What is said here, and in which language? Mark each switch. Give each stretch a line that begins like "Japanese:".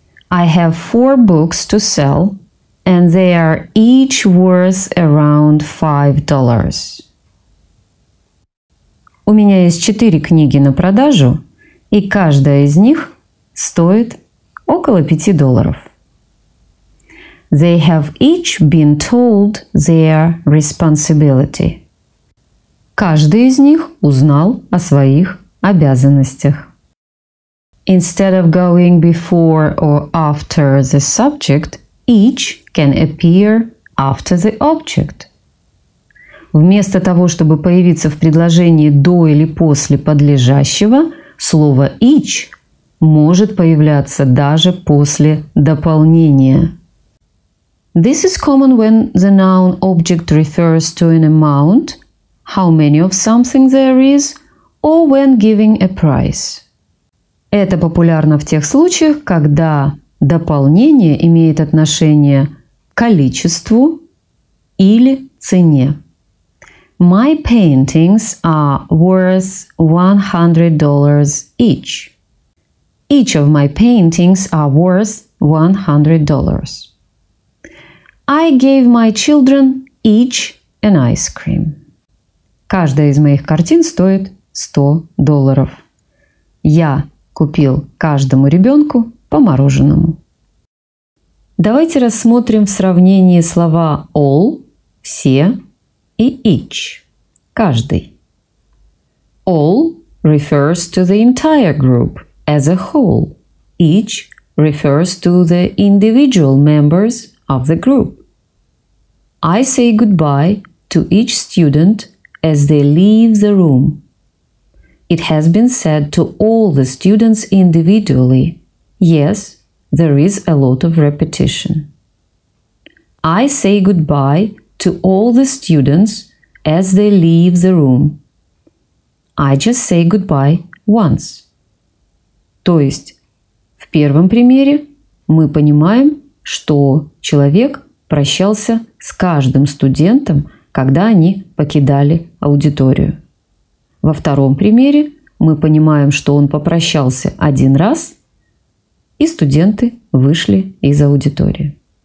English: I have 4 books to sell, and they are each worth around $5.
Russian: У меня есть 4 книги на продажу, и каждая из них стоит около $5.
English: They have each been told their responsibility.
Russian: Каждый из них узнал о своих обязанностях.
English: Instead of going before or after the subject, each can appear after the object.
Russian: Вместо того, чтобы появиться в предложении до или после подлежащего, слово each может появляться даже после дополнения.
English: This is common when the noun object refers to an amount, how many of something there is, or when giving a price.
Russian: Это популярно в тех случаях, когда дополнение имеет отношение к количеству или цене.
English: My paintings are worth $100 each. Each of my paintings are worth $100. I gave my children each an ice cream.
Russian: Каждая из моих картин стоит $100. Я купил каждому ребенку по мороженому. Давайте рассмотрим в сравнении слова all – все и each – каждый.
English: All refers to the entire group as a whole. Each refers to the individual members of the group. I say goodbye to each student as they leave the room. It has been said to all the students individually. Yes, there is a lot of repetition. I say goodbye to all the students as they leave the room. I just say goodbye once.
Russian: То есть, в первом примере мы понимаем, что человек прощался с каждым студентом, когда они покидали аудиторию. Во втором примере мы понимаем, что он попрощался один раз, и студенты вышли из аудитории.